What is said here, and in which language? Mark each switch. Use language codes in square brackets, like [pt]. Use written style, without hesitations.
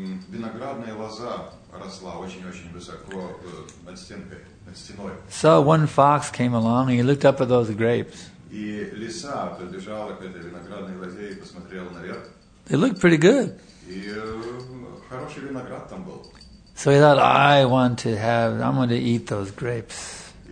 [ru] Виноградная лоза росла очень-очень высоко над стенкой. [en] So one fox came along and he looked up at those grapes. [ru] И лиса подбежала к этой виноградной лозе и посмотрела наверх. [en] They looked pretty good. [ru] И хороший виноград там был. [en] So he thought, I want to have, I'm going to eat those grapes.